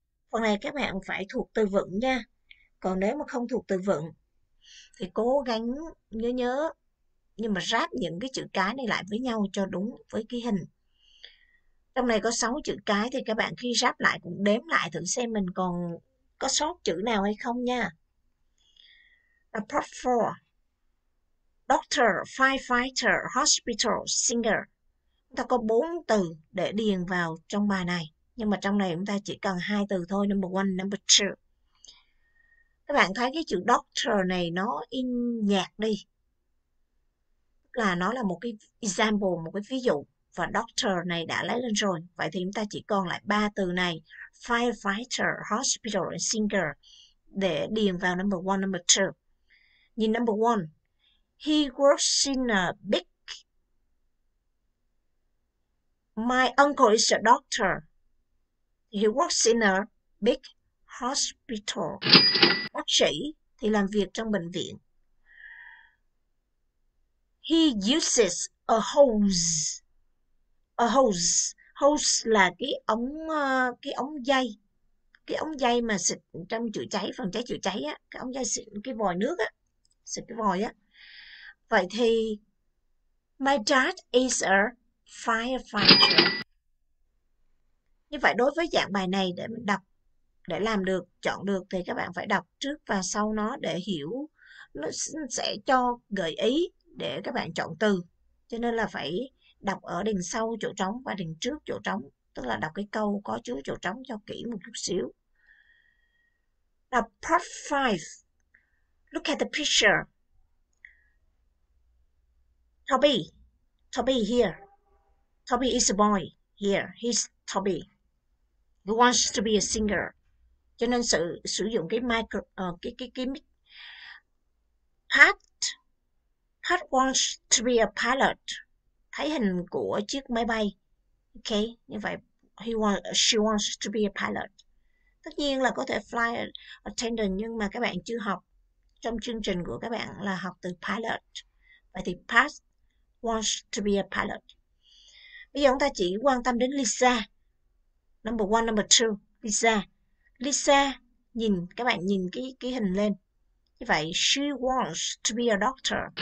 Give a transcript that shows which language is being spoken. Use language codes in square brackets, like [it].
[vi] Phần này các bạn phải thuộc từ vựng nha. Còn nếu mà không thuộc từ vựng thì cố gắng nhớ nhớ, nhưng mà ráp những cái chữ cái này lại với nhau cho đúng với cái hình. Trong này có 6 chữ cái thì các bạn khi ráp lại cũng đếm lại thử xem mình còn có sót chữ nào hay không nha. [en] Part 4. Doctor, firefighter, hospital, singer. [vi] Chúng ta có 4 từ để điền vào trong bài này. Nhưng mà trong này chúng ta chỉ cần 2 từ thôi. [en] Number 1, number 2. [vi] Các bạn thấy cái chữ doctor này nó in nhạt đi. Tức là nó là một cái example, một cái ví dụ. Và doctor này đã lấy lên rồi. Vậy thì chúng ta chỉ còn lại 3 từ này. [en] Firefighter, hospital and singer. [vi] Để điền vào [en] number 1, number 2. [vi] Nhìn [en] number 1. He works in a big... My uncle is a doctor. He works in a big hospital. [vi] Bác sĩ thì làm việc trong bệnh viện. [en] He uses a hose. A hose. [vi] Hose là cái ống dây mà xịt trong chữa cháy, phòng cháy chữa cháy á, cái ống dây xịt cái vòi nước á, xịt cái vòi á. Vậy thì [en] my dad is a firefighter. [vi] Như vậy đối với dạng bài này để mình đọc, để làm được, chọn được thì các bạn phải đọc trước và sau nó để hiểu, nó sẽ cho gợi ý để các bạn chọn từ. Cho nên là phải đọc ở đằng sau chỗ trống và đằng trước chỗ trống, tức là đọc cái câu có chứa chỗ trống cho kỹ một chút xíu. [en] Now, part 5. Look at the picture. Toby. Toby here. Toby is a boy. Here, he's Toby. He wants to be a singer. [vi] Cho nên sử dụng cái micro, cái mic. [en] Pat wants to be a pilot. [vi] Thấy hình của chiếc máy bay. [en] Okay, [vi] như vậy [en] she wants to be a pilot. [vi] Tất nhiên là có thể fly attendant, nhưng mà các bạn chưa học. Trong chương trình của các bạn là học từ pilot. Vậy thì [en] Pat wants to be a pilot. [vi] Bây giờ chúng ta chỉ quan tâm đến Lisa. [en] Number 1, number 2, [vi] Lisa. Lisa, nhìn, các bạn nhìn cái hình lên. Như vậy, [en] she wants to be a doctor.